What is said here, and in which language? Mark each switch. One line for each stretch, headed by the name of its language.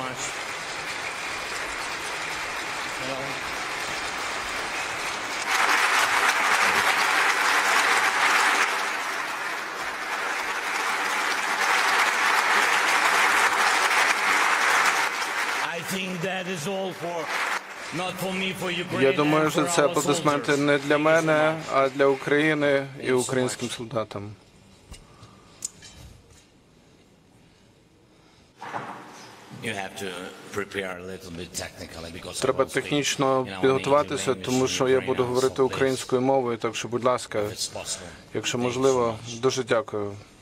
English: I think that is all for not for me, for Ukraine.
Ukrainian: Я думаю, що це аплодисменти не для мене, а для України і українським солдатам.
English: You have to prepare a little bit technically because
Ukrainian: треба технічно підготуватися, тому що я буду говорити українською мовою, так що будь ласка, якщо можливо, дуже дякую.